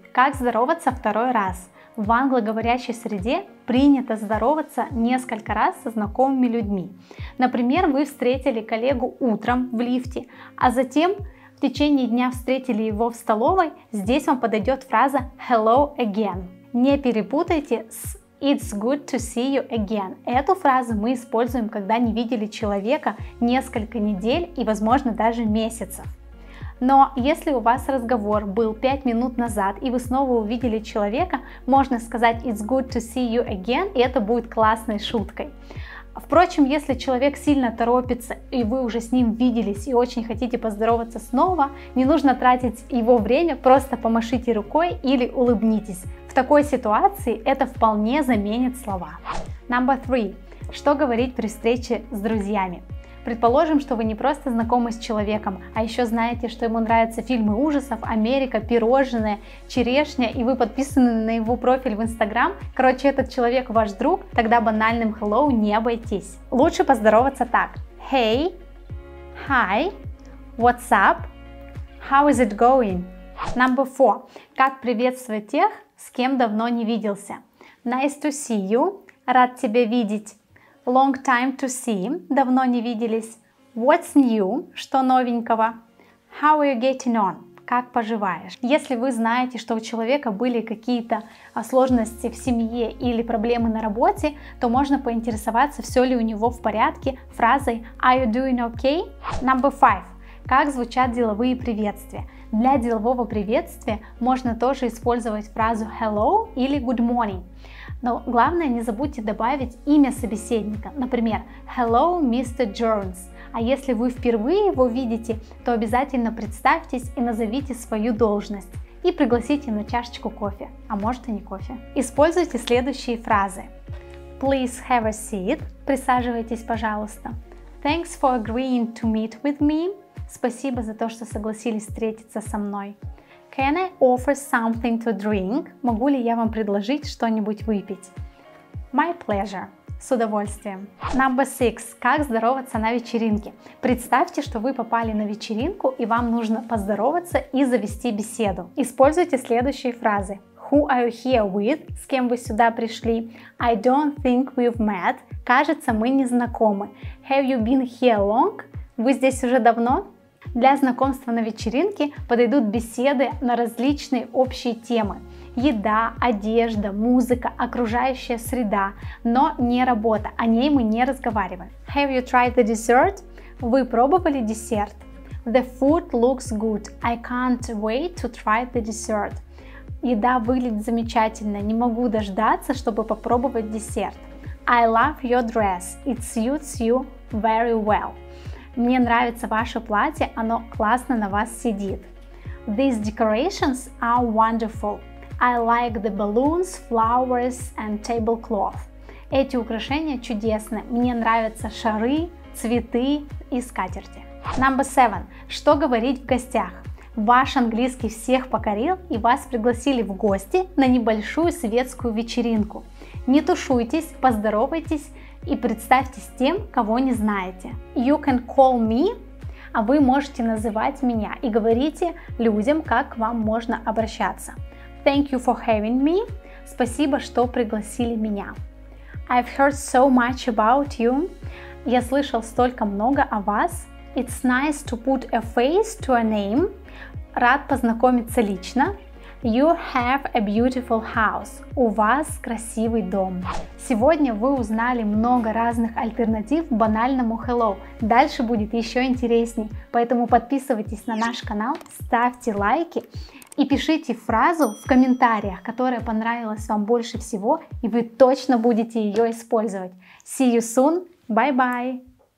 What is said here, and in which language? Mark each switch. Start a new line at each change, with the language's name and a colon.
Russian: Как здороваться второй раз? В англоговорящей среде принято здороваться несколько раз со знакомыми людьми. Например, вы встретили коллегу утром в лифте, а затем в течение дня встретили его в столовой, здесь вам подойдет фраза
English: hello again.
Russian: Не перепутайте с
English: it's good to see you again.
Russian: Эту фразу мы используем, когда не видели человека несколько недель и, возможно, даже месяцев. Но если у вас разговор был 5 минут назад и вы снова увидели человека, можно сказать
English: it's good to see you again,
Russian: и это будет классной шуткой. Впрочем, если человек сильно торопится и вы уже с ним виделись и очень хотите поздороваться снова, не нужно тратить его время, просто помашите рукой или улыбнитесь. В такой ситуации это вполне заменит слова.
English: Number three.
Russian: Что говорить при встрече с друзьями? Предположим, что вы не просто знакомы с человеком, а еще знаете, что ему нравятся фильмы ужасов, Америка, пирожные, черешня, и вы подписаны на его профиль в Instagram. Короче, этот человек ваш друг, тогда банальным hello не обойтись. Лучше поздороваться так.
English: Hey, hi, what's up, how is it going? Number four.
Russian: Как приветствовать тех, с кем давно не виделся?
English: Nice to see you,
Russian: рад тебя видеть.
English: Long time to see,
Russian: давно не виделись.
English: What's new,
Russian: что новенького?
English: How are you getting on,
Russian: как поживаешь? Если вы знаете, что у человека были какие-то сложности в семье или проблемы на работе, то можно поинтересоваться, все ли у него в порядке, фразой
English: Are you doing okay? Number five.
Russian: Как звучат деловые приветствия? Для делового приветствия можно тоже использовать фразу hello или
English: good morning.
Russian: Но главное, не забудьте добавить имя собеседника, например, hello, Mr. Jones. А если вы впервые его видите, то обязательно представьтесь и назовите свою должность. И пригласите на чашечку кофе, а может и не кофе. Используйте следующие фразы.
English: Please have a seat.
Russian: Присаживайтесь, пожалуйста.
English: Thanks for agreeing to meet with me.
Russian: Спасибо за то, что согласились встретиться со мной.
English: Can I offer something to drink?
Russian: Могу ли я вам предложить что-нибудь выпить?
English: My pleasure.
Russian: С удовольствием.
English: Number six.
Russian: Как здороваться на вечеринке? Представьте, что вы попали на вечеринку и вам нужно поздороваться и завести беседу. Используйте следующие фразы.
English: Who are you here with?
Russian: С кем вы сюда пришли?
English: I don't think we've met.
Russian: Кажется, мы не знакомы.
English: Have you been here long?
Russian: Вы здесь уже давно? Для знакомства на вечеринке подойдут беседы на различные общие темы. Еда, одежда, музыка, окружающая среда, но не работа, о ней мы не разговариваем.
English: Have you tried the dessert?
Russian: Вы пробовали десерт?
English: The food looks good. I can't wait to try the dessert.
Russian: Еда выглядит замечательно, не могу дождаться, чтобы попробовать десерт.
English: I love your dress. It suits you very well.
Russian: Мне нравится ваше платье, оно классно на вас сидит.
English: These decorations are wonderful. I like the balloons, flowers and tablecloth.
Russian: Эти украшения чудесны. Мне нравятся шары, цветы и скатерти.
English: Number seven.
Russian: Что говорить в гостях? Ваш английский всех покорил и вас пригласили в гости на небольшую светскую вечеринку. Не тушуйтесь, поздоровайтесь и представьтесь тем, кого не знаете.
English: You can call me,
Russian: а вы можете называть меня и говорите людям, как к вам можно обращаться.
English: Thank you for having me.
Russian: Спасибо, что пригласили меня.
English: I've heard so much about you.
Russian: Я слышал столько много о вас.
English: It's nice to put a face to a name.
Russian: Рад познакомиться лично.
English: You have a beautiful house.
Russian: У вас красивый дом. Сегодня вы узнали много разных альтернатив банальному hello. Дальше будет еще интересней. Поэтому подписывайтесь на наш канал, ставьте лайки и пишите фразу в комментариях, которая понравилась вам больше всего, и вы точно будете ее использовать.
English: See you soon. Bye-bye.